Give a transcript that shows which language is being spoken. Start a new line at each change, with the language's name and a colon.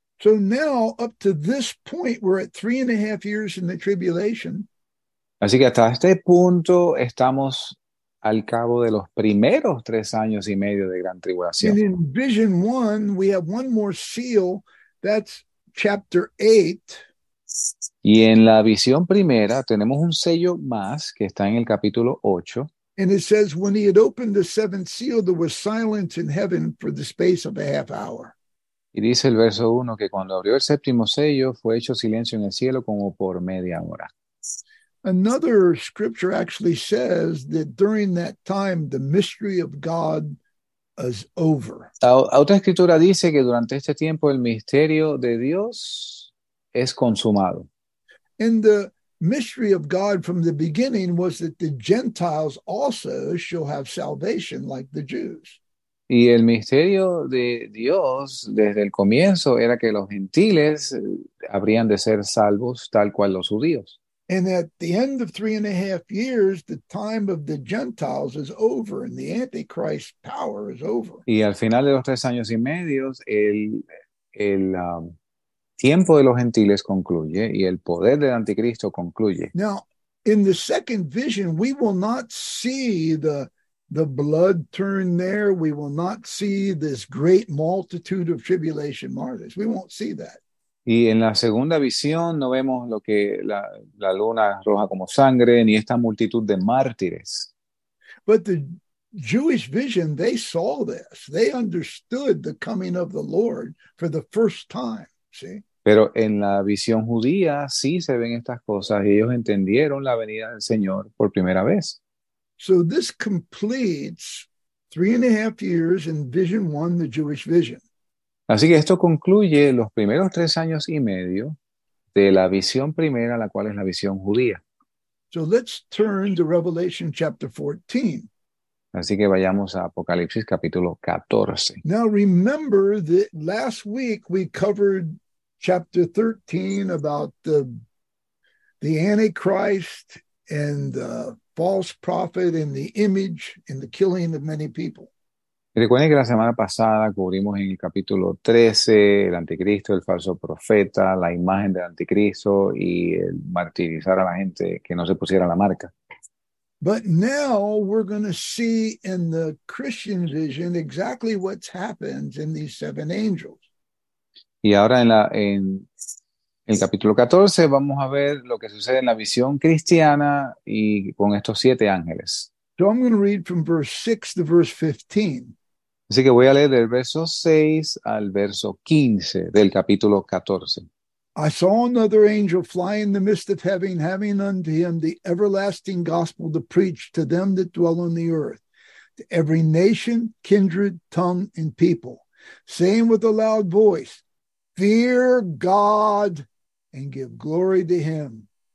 English: So now, up to this point, we're at 3.5 years in the tribulation.
Spanish: Así que hasta este punto estamos al cabo de los primeros 3 años y medio de gran tribulación.
English: And in Vision 1, we have one more seal. That's chapter 8.
Spanish: Y en la visión primera tenemos un sello más que está en el capítulo 8.
English: And it says, when he had opened the seventh seal, there was silence in heaven for the space of a half hour.
Spanish: Y dice el verso 1 que cuando abrió el séptimo sello, fue hecho silencio en el cielo como por media hora.
English: Another scripture actually says that during that time, the mystery of God is over.
Spanish: Otra escritura dice que durante este tiempo el misterio de Dios es consumado.
English: And the mystery of God from the beginning was that the Gentiles also shall have salvation like the Jews.
Spanish: Y el misterio de Dios desde el comienzo era que los gentiles habrían de ser salvos tal cual los judíos.
English: And at the end of 3.5 years, the time of the Gentiles is over and the Antichrist's power is over.
Spanish: Y al final de los 3 años y medio, el tiempo de los gentiles concluye y el poder del anticristo concluye.
English: Now, in the second vision, we will not see the blood turn there. We will not see this great multitude of tribulation martyrs. We won't see that.
Spanish: Y en la segunda visión no vemos lo que la luna roja como sangre ni esta multitud de mártires.
English: But the Jewish vision, they saw this. They understood the coming of the Lord for the first time. See?
Spanish: Pero en la visión judía sí se ven estas cosas y ellos entendieron la venida del Señor por primera vez.
English: So this completes 3.5 years in vision one, the Jewish vision.
Spanish: Así que esto concluye los primeros 3 años y medio de la visión primera, la cual es la visión judía.
English: So let's turn to Revelation chapter 14.
Spanish: Así que vayamos a Apocalipsis capítulo 14.
English: Now remember that last week we covered chapter 13 about the Antichrist and the false prophet and the image and the killing of many people.
Spanish: Recuerden que la semana pasada cubrimos en el capítulo 13 el anticristo, el falso profeta, la imagen del anticristo y el martirizar a la gente que no se pusiera la marca.
English: But now we're going to see in the Christian vision exactly what happens in these seven angels.
Spanish: Y ahora en el capítulo 14 vamos a ver lo que sucede en la visión cristiana y con estos siete ángeles.
English: So I'm going to read from verse 6 to verse 15.
Spanish: Así que voy a leer del verso 6 al verso 15 del capítulo 14.
English: I saw another angel fly in the midst of heaven, having unto him the everlasting gospel to preach to them that dwell on the earth, to every nation, kindred, tongue, and people, saying with a loud voice, fear God and give glory to him.